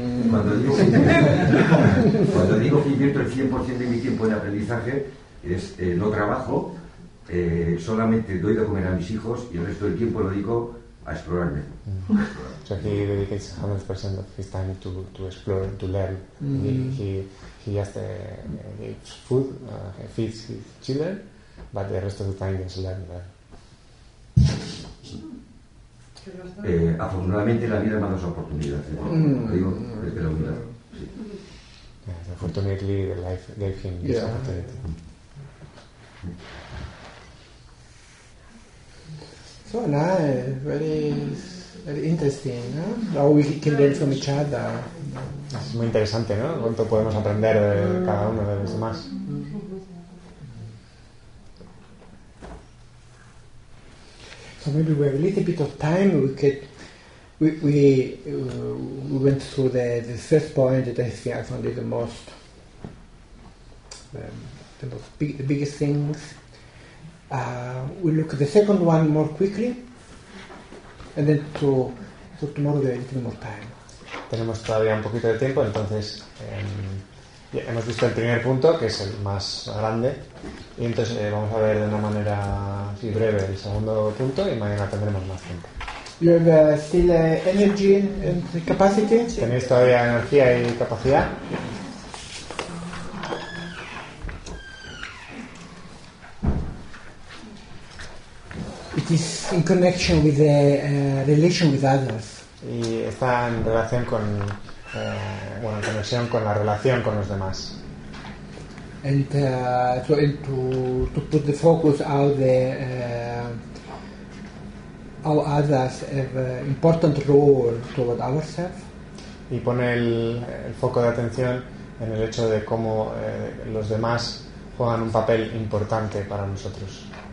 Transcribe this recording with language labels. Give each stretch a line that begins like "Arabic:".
Spanish: Cuando digo que invierto el 100% de mi tiempo en aprendizaje es no trabajo. Solamente doy de comer a mis hijos y el resto del tiempo lo dedico a explorarme.
English: So he dedicates 100% of his time to explore, to learn. He just gives food, he feeds his children, but the rest of the time is learning.
Spanish: Afortunadamente la vida me ha dado esa oportunidad, ¿eh? Lo digo desde la humildad.
English: Yes, unfortunately the life gave him this opportunity. So nice, very interesting, ¿no? How we can learn from each other.
Spanish: Es muy interesante, ¿no? Cuánto podemos aprender de cada uno de los demás.
English: So maybe we have a little bit of time. We could, we went through the first point that I think I found it the biggest things. We look at the second one more quickly, and then to tomorrow we have a little more time.
Spanish: Tenemos todavía un poquito de tiempo, entonces hemos visto el primer punto, que es el más grande, y entonces vamos a ver de una manera así breve el segundo punto, y mañana tendremos más tiempo.
English: You have still energy and capacity.
Spanish: Tenéis todavía energía y capacidad.
English: Is in connection with the relation with others.
Spanish: Y está en relación con, bueno, conexión con la relación con los demás.
English: and so to put the focus out there, how others have an important role toward ourselves.
Spanish: Y pone el foco de atención en el hecho de cómo los demás juegan un papel importante para nosotros.